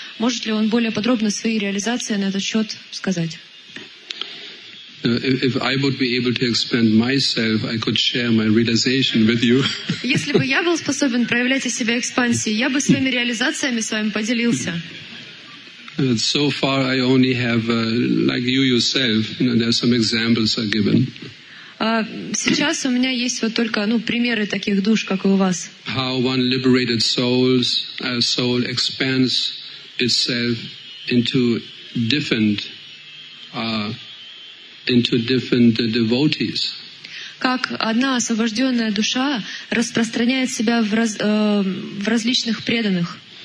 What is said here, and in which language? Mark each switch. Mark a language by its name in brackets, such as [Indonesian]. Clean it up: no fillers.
[Russian] Может ли он более подробно свои реализации на этот счет сказать? Если бы я был способен проявлять о себе экспансии, я бы своими реализациями с вами поделился. [English] So far I only have, like you yourself, you know, there are some examples are given. [Russian] Сейчас у меня есть вот только примеры таких душ, как и у вас. [English] How one liberated soul expands itself into different devotees. [Russian] Как одна освобожденная душа распространяет себя в различных преданных.